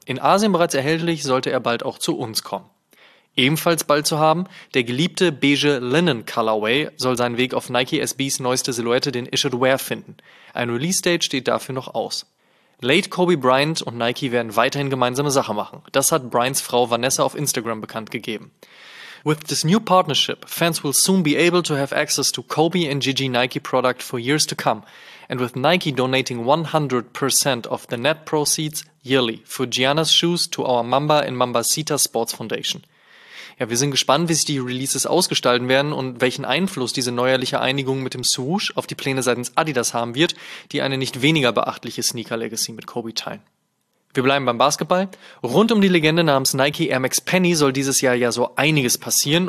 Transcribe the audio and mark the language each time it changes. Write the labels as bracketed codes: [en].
[de] In Asien bereits erhältlich, sollte er bald auch zu uns kommen. Ebenfalls bald zu haben, der geliebte beige Linen Colorway soll seinen Weg auf Nike SBs neueste Silhouette, den Issued Wear, finden. Ein Release-Date steht dafür noch aus. Late Kobe Bryant und Nike werden weiterhin gemeinsame Sache machen. Das hat Bryants Frau Vanessa auf Instagram bekannt gegeben. [en] With this new partnership, fans will soon be able to have access to Kobe and Gigi Nike product for years to come, and with Nike donating 100% of the net proceeds yearly for Giannis shoes to our Mamba and Mambacita Sports Foundation. [de] Ja, wir sind gespannt, wie sich die Releases ausgestalten werden und welchen Einfluss diese neuerliche Einigung mit dem Swoosh auf die Pläne seitens Adidas haben wird, die eine nicht weniger beachtliche Sneaker-Legacy mit Kobe teilen. Wir bleiben beim Basketball. Rund um die Legende namens Nike Air Max Penny soll dieses Jahr ja so einiges passieren.